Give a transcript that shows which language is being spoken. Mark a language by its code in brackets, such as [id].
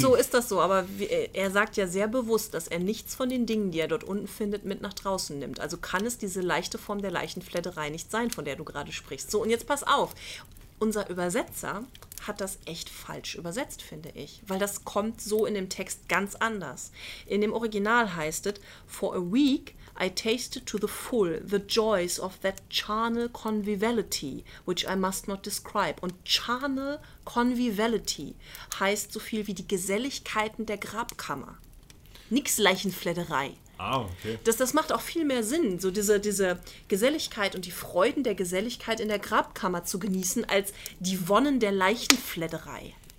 [de] So ist das so, aber er sagt ja sehr bewusst, dass er nichts von den Dingen, die er dort unten findet, mit nach draußen nimmt. Also kann es diese leichte Form der Leichenflatterei nicht sein, von der du gerade sprichst. So, und jetzt pass auf. Unser Übersetzer hat das echt falsch übersetzt, finde ich, weil das kommt so in dem Text ganz anders. In dem Original heißt es, [en] for a week I tasted to the full the joys of that charnel conviviality, which I must not describe. [de] Und [en] charnel conviviality [de] heißt so viel wie die Geselligkeiten der Grabkammer. Nix Leichenflatterei. Ah, okay. Das macht auch viel mehr Sinn, so diese Geselligkeit und die Freuden der Geselligkeit in der Grabkammer zu genießen, als die Wonnen der Leichenflatterei.